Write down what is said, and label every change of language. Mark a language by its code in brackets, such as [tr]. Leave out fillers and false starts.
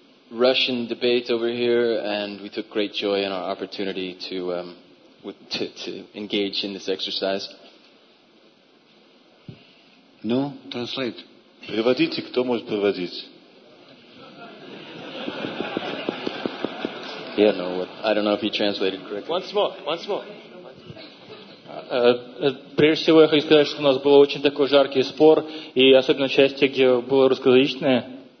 [en] Russian debate over here, and we took great joy in our opportunity to engage in this exercise. No, translate. [ru] Приводите, кто может приводить? [en] Yeah, no, I don't know if he translated correctly. Once more. [ru] Прежде всего, я хочу сказать, что у нас был очень такой жаркий спор, и особенно в части, где было русскоязычное.